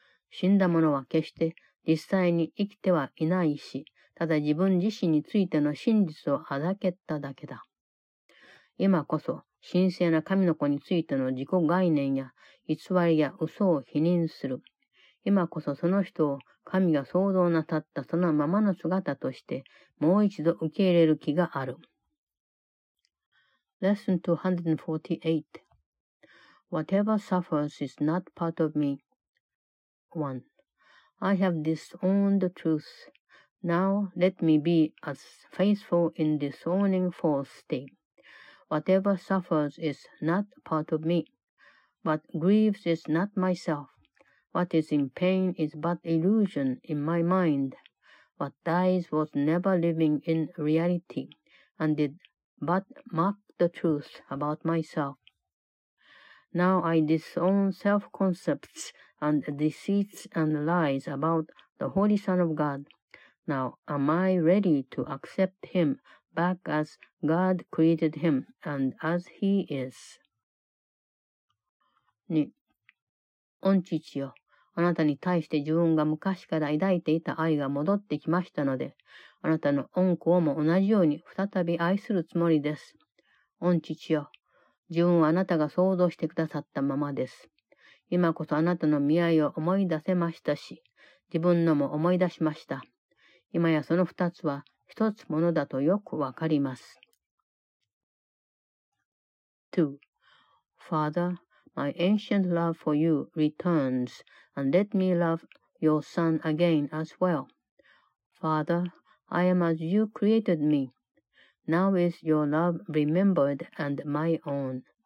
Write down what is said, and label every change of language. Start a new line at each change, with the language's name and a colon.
Japanese: 死んだものは決して実際に生きてはいないし、ただ自分自身についての真実をあだけっただけだ。今こそ神聖な神の子についての自己概念や偽りや嘘を否認する。今こそその人を神が創造なさったそのままの姿としてもう一度受け入れる気がある。
English: Lesson 248 Whatever suffers is not part of me. 1. I have disowned the truth. Now let me be as faithful in disowning false state. Whatever suffers is not part of me. What grieves is not myself. What is in pain is but illusion in my mind. What dies was never living in reality and did but mock the truth about myself. Now I disown self-concepts and deceits and lies about the Holy Son of God. Now am I ready to accept him back as God created him and as he is. 2.
Japanese: 御父よ、あなたに対して自分が昔から抱いていた愛が戻ってきましたので、あなたの御子をも同じように再び愛するつもりです。御父よ、自分はあなたが創造してくださったままです。今こそあなたの見合いを思い出せましたし、自分のも思い出しました。今やその二つは一つものだとよくわかります。 2.
English: Father, my ancient love for you returns, and let me love your son again as well. Father, I am as you created me. Now is your love remembered and my own.